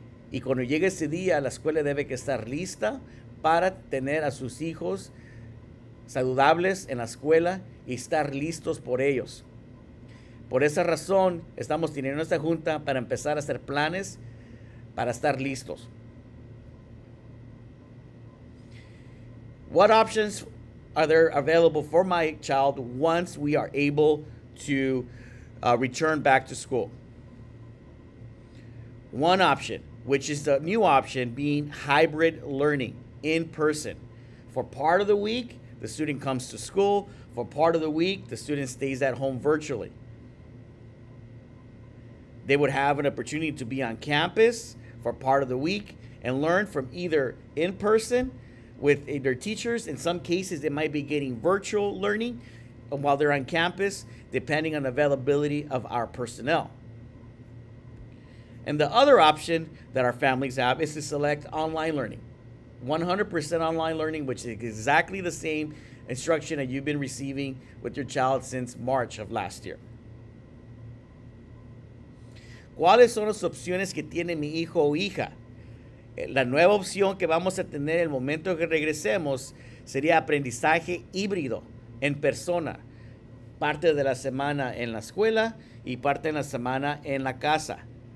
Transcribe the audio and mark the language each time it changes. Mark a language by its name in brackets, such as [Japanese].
[Spanish] Y cuando llegue ese día, la escuela debe que estar lista para tener a sus hijos saludables en la escuela y estar listos por ellos. Por esa razón, estamos teniendo esta junta para empezar a hacer planes para estar listos. [English] What options are there available for my child once we are able to return back to school? One option, which is the new option, being hybrid learning in person. For part of the week, the student comes to school. For part of the week, the student stays at home virtually. They would have an opportunity to be on campus for part of the week and learn from either in person with their teachers. In some cases, they might be getting virtual learning while they're on campus, depending on availability of our personnel. And the other option that our families have is to select online learning. 100% online learning, which is exactly the same instruction that you've been receiving with your child since March of last year. [Spanish] ¿Cuáles son las opciones que tiene mi hijo o hija? La nueva opción que vamos a tener el momento que regresemos sería aprendizaje híbrido en persona. Parte de la semana en la escuela y parte de la semana en la casa.